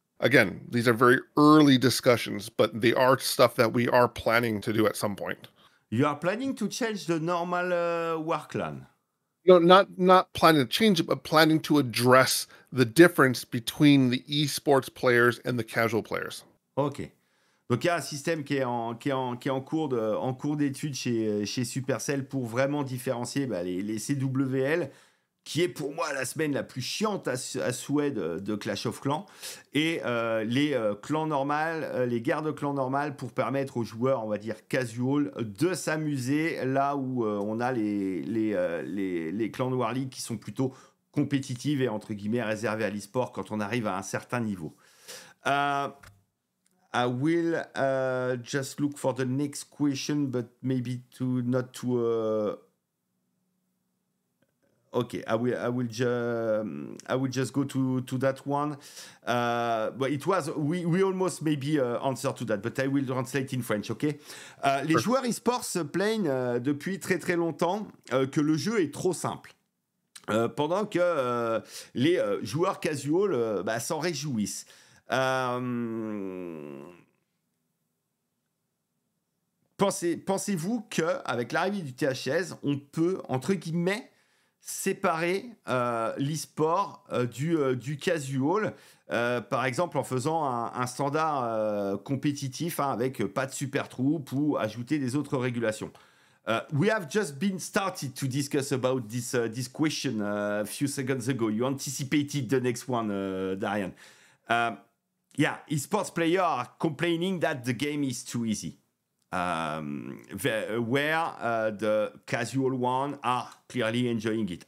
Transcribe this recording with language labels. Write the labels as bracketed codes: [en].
[en] Again, these are very early discussions, but they are stuff that we are planning to do at some point. You are planning to change the normal war clan? No, not planning to change it, but planning to address the difference between the esports players and the casual players. Okay. [fr] Donc il y a un système qui est en cours d'étude chez Supercell pour vraiment différencier les CWL, qui est pour moi la semaine la plus chiante à souhait de Clash of Clans, et les guerres de clans normales pour permettre aux joueurs, on va dire casual, de s'amuser là où on a les clans de War League qui sont plutôt compétitives et entre guillemets réservées à l'e-sport quand on arrive à un certain niveau. [en] I will just look for the next question, but maybe to not to. Okay, I will just go to that one. But it was we almost maybe answer to that, but I will translate in French. Okay. [fr] Les joueurs e-sports se plaignent depuis très très longtemps que le jeu est trop simple. Pendant que les joueurs casual s'en réjouissent. Pensez-vous que avec l'arrivée du THS, on peut entre guillemets séparer l'e-sport du casual, par exemple en faisant un standard compétitif avec pas de super troupes ou ajouter des autres régulations. [en] We have just been started to discuss about this this question a few seconds ago. You anticipated the next one, Darian. Yeah, e-sports players are complaining that the game is too easy. Where the casual one are clearly enjoying it.